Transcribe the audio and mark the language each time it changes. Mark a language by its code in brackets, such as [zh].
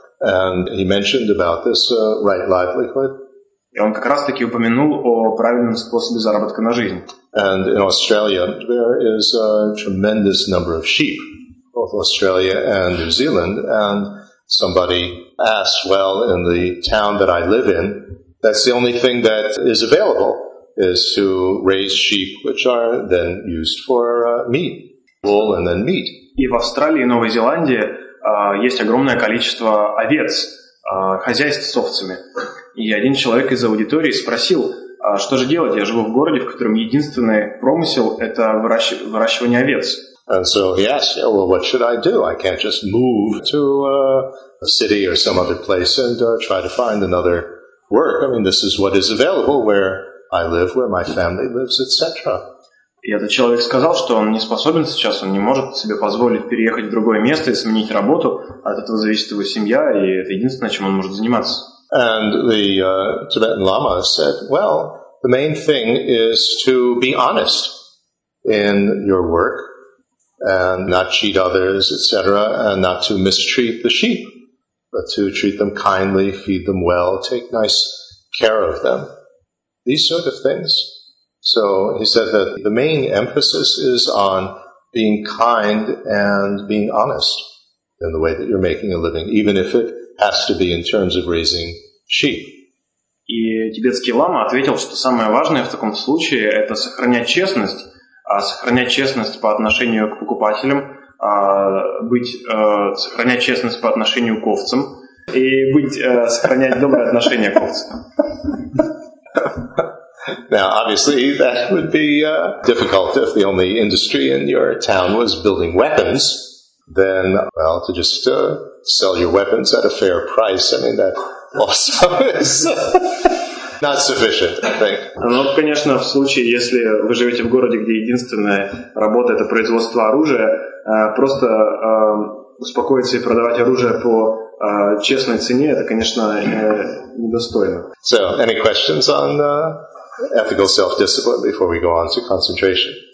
[en] And he mentioned about this right livelihood. [ru] И он как раз-таки упомянул о правильном способе заработка на жизнь. [en] And in Australia, there is a tremendous number of sheep, both Australia and New Zealand. And somebody asks, well, in the town that I live in, that's the only thing that is available, is to raise sheep, which are then used for meat, wool, and then meat. [ru] И в Австралии и Новой Зеландии есть огромное количество овец, хозяйств с овцами. И один человек из аудитории спросил, что же делать, я живу в городе, в котором единственный промысел – это выращивание овец. [en] And so he asked, well, what should I do? I can't just move to a city or some other place and try to find another work. I mean, this is what is available where I live, where my family lives, etc. [ru] И этот человек сказал, что он не способен сейчас, он не может себе позволить переехать в другое место и сменить работу. От этого зависит его семья, и это единственное, чем он может заниматься. [en] And the Tibetan Lama said, well, the main thing is to be honest in your work and not cheat others, etc., and not to mistreat the sheep, but to treat them kindly, feed them well, take nice care of them, these sort of things. So he said that the main emphasis is on being kind and being honest in the way that you're making a living, even if it has to be in terms of raising sheep. [ru] И тибетский лама ответил, что самое важное в таком случае – это сохранять честность, сохранять честность по отношению к покупателям, сохранять честность по отношению к овцам и сохранять доброе отношение к овцам. [en] Now, obviously, that would be difficult if the only industry in your town was building weapons. Then, well, to just sell your weapons at a fair price, I mean, that also is not sufficient, I think. [ru] Ну, конечно, в случае, если вы живете в городе, где единственная работа – это производство оружия, просто успокоиться и продавать оружие по честной цене – это, конечно, недостойно. [en] So, any questions on ethical self-discipline before we go on to concentration?